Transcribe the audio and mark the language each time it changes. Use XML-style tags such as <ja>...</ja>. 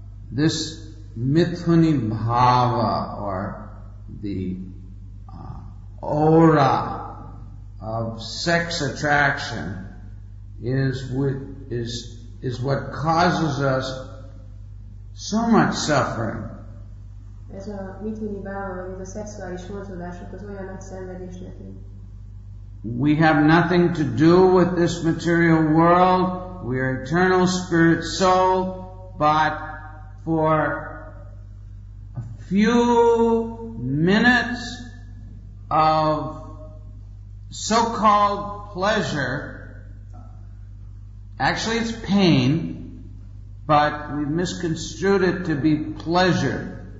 <en>This mithuni bhava, or the aura of sex attraction, is what causes us so much suffering.</en> <hu>Ez a mithuni bhava, vagy ez a szexuális vonzódások, az olyan nagy szenvedés nekünk.</hu> <en>We have nothing to do with this material world. We are eternal spirit soul, but for a few minutes of so-called pleasure, actually it's pain, but we misconstrued it to be pleasure.</en>